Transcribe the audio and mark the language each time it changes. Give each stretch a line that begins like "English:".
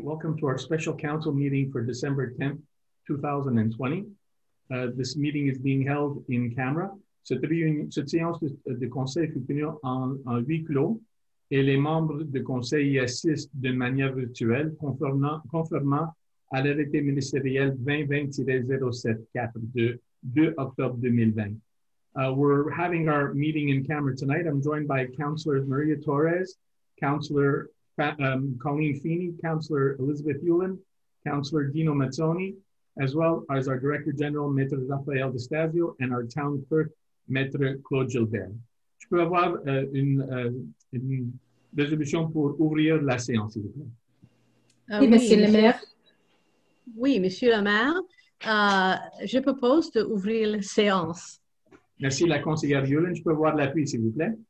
English: Welcome to our special council meeting for December 10th, 2020. This meeting is being held in camera.
French: Cette séance de conseil est tenue en huis clos et les membres du conseil y assistent de manière virtuelle conformément à l'arrêté ministériel 2020-074 de 2 octobre 2020.
English: We're having our meeting in camera tonight. I'm joined by Councillor Maria Torres, Councillor Colleen Feeney, Councillor Elizabeth Ulin, Councillor Dino Mazzoni, as well as our Director General, Maître Raphaël D'Estasio, and our Town Clerk, Maître Claude Gilbert.
French: Je peux avoir une résolution pour ouvrir la séance, s'il vous plaît. Oui, Monsieur le Maire. Oui, Monsieur le Maire, je propose d'ouvrir la séance. Merci, la conseillère Ulin. Je peux avoir l'appui, s'il vous plaît.